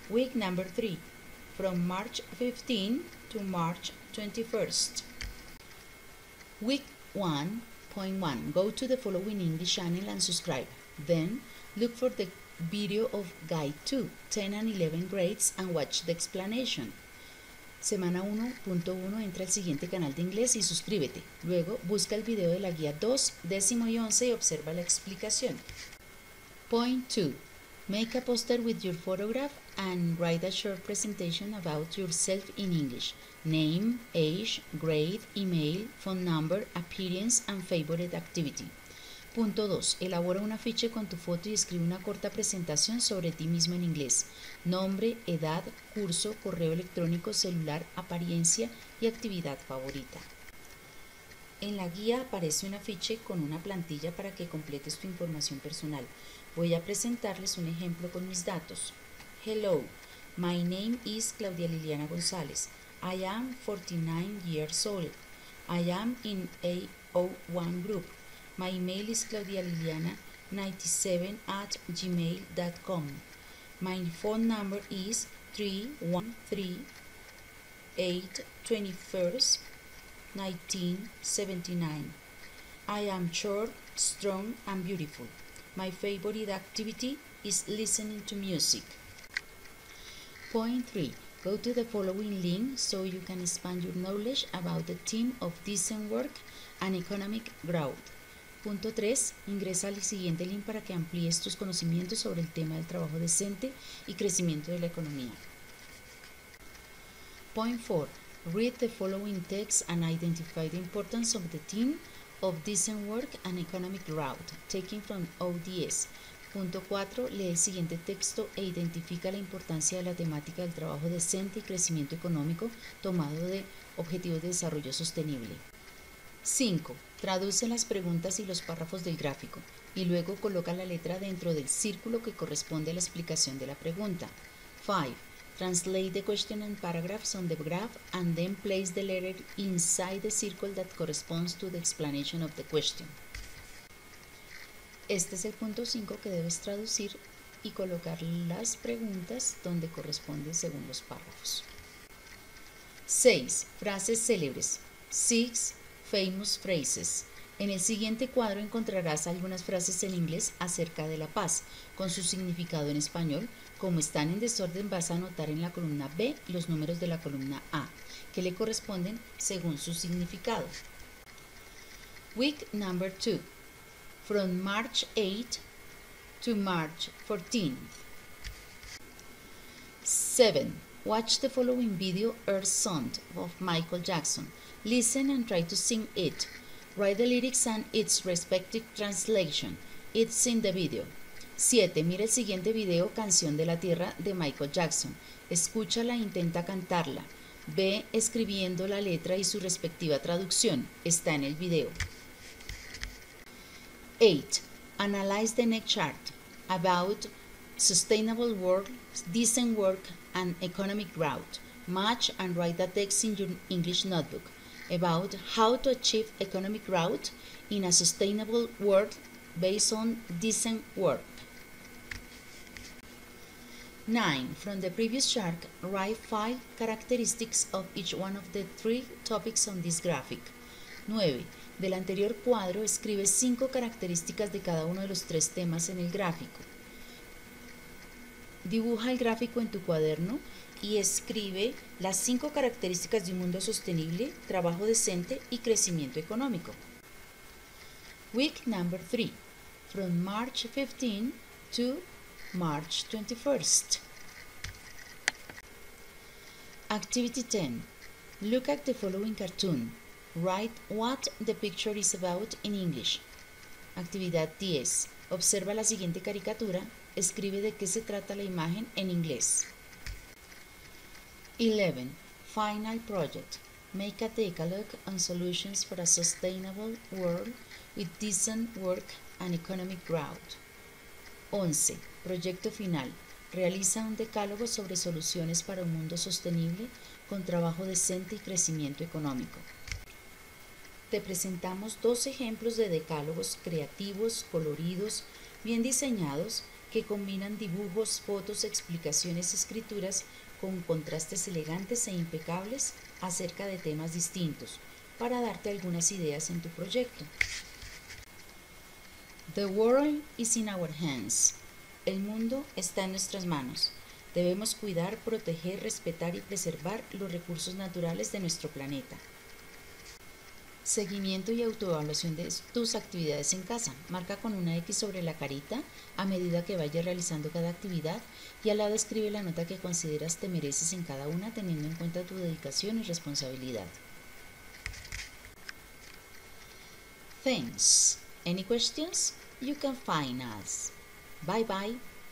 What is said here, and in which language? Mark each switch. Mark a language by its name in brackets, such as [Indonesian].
[English] Week number 3, from March 15th to March 21st. Week 1.1, go to the following English channel and subscribe. Then, look for the video of Guide 2, 10 and 11 grades, and watch the explanation. [Spanish] Semana 1.1, entra al siguiente canal de inglés y suscríbete. Luego, busca el video de la guía 2, 10 y 11 y observa la explicación. [English] Point 2. Make a poster with your photograph and write a short presentation about yourself in English. Name, age, grade, email, phone number, appearance and favorite activity. [Spanish] Punto 2. Elabora un afiche con tu foto y escribe una corta presentación sobre ti mismo en inglés. Nombre, edad, curso, correo electrónico, celular, apariencia y actividad favorita. En la guía aparece un afiche con una plantilla para que completes tu información personal. Voy a presentarles un ejemplo con mis datos. [English] Hello, my name is Claudia Liliana González. I am 49 years old. I am in AO1 group. My email is claudialiliana97@gmail.com. My phone number is 313-821-1979. I am short, strong, and beautiful. My favorite activity is listening to music. Point 3. Go to the following link so you can expand your knowledge about the theme of decent work and economic growth. [Spanish] Punto 3. Ingresa al siguiente link para que amplíes tus conocimientos sobre el tema del trabajo decente y crecimiento de la economía. [English] Point 4. Read the following text and identify the importance of the theme of decent work and economic growth, taken from ODS. [Spanish] Punto 4. Lee el siguiente texto e identifica la importancia de la temática del trabajo decente y crecimiento económico tomado de Objetivos de Desarrollo Sostenible. 5. Traduce las preguntas y los párrafos del gráfico y luego coloca la letra dentro del círculo que corresponde a la explicación de la pregunta. 5. [English] Translate the question and paragraphs on the graph and then place the letter inside the circle that corresponds to the explanation of the question. [Spanish] Este es el punto 5 que debes traducir y colocar las preguntas donde corresponde según los párrafos. 6. Frases célebres. 6. [English] Famous phrases. [Spanish] En el siguiente cuadro encontrarás algunas frases en inglés acerca de la paz, con su significado en español. Como están en desorden, vas a anotar en la columna B los números de la columna A, que le corresponden según su significado. [English] Week number 2. From March 8 to March 14. 7. Watch the following video, Earth Sound, of Michael Jackson. Listen and try to sing it. Write the lyrics and its respective translation. It's in the video. 7. [Spanish] Mira el siguiente video, Canción de la Tierra, de Michael Jackson. Escúchala e intenta cantarla. Ve escribiendo la letra y su respectiva traducción. Está en el video. [English] 8. Analyze the next chart about sustainable work, decent work, and economic growth. Match and write the text in your English notebook about how to achieve economic growth in a sustainable world based on decent work. 9. From the previous chart, write 5 characteristics of each one of the 3 topics on this graphic. [Spanish] 9. Del anterior cuadro, escribe 5 características de cada uno de los 3 temas en el gráfico. Dibuja el gráfico en tu cuaderno y escribe las 5 características de un mundo sostenible, trabajo decente y crecimiento económico. [English] Week number 3. From March 15 to March 21st. Activity 10. Look at the following cartoon. Write what the picture is about in English. [Spanish] Actividad 10. Observa la siguiente caricatura. Escribe de qué se trata la imagen en inglés. [English] 11. Final project. Make a decalogue on solutions for a sustainable world with decent work and economic growth. [Spanish] 11. Proyecto final. Realiza un decálogo sobre soluciones para un mundo sostenible con trabajo decente y crecimiento económico. Te presentamos 2 ejemplos de decálogos creativos, coloridos, bien diseñados, que combinan dibujos, fotos, explicaciones, escrituras con contrastes elegantes e impecables acerca de temas distintos, para darte algunas ideas en tu proyecto. [English] The world is in our hands. [Spanish] El mundo está en nuestras manos. Debemos cuidar, proteger, respetar y preservar los recursos naturales de nuestro planeta. Seguimiento y autoevaluación de tus actividades en casa. Marca con una X sobre la carita a medida que vayas realizando cada actividad y al lado escribe la nota que consideras te mereces en cada una teniendo en cuenta tu dedicación y responsabilidad. [English] Thanks. Any questions? You can find us. Bye bye.